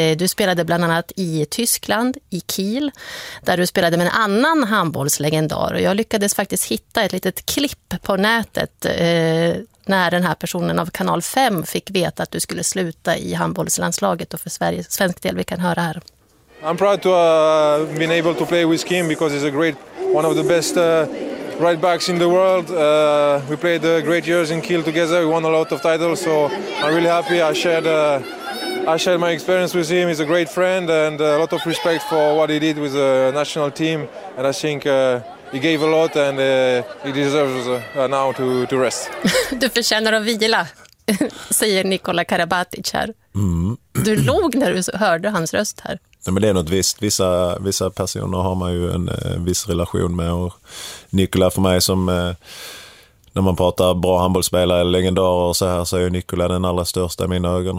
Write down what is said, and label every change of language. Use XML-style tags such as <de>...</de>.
<sv>Du spelade bland annat i Tyskland, i Kiel, där du spelade med en annan handbollslegendar. Och jag lyckades faktiskt hitta ett litet klipp på nätet när den här personen av Kanal 5 fick veta att du skulle sluta i handbollslandslaget och för Sverige, svensk del. Vi kan höra här.</sv> <en>I'm proud to been able to play with Kim because he's a great, one of the best right backs in the world. We played great years in Kiel together. We won a lot of titles, so I'm really happy. I shared my experience with him. He's a great friend and a lot of respect for what he did with the national team. And I think he gave a lot and he deserves now to rest.</en> <sv>Du förtjänar att vila, säger Nikola Karabatic här. Mm. Du log när du hörde hans röst här. Ja, men det är något visst. Vissa personer har man ju en viss relation med. Och Nikola för mig som, när man pratar bra handbollsspelare eller legendarer och så här, så är ju Nikola den allra största i mina ögon.</sv>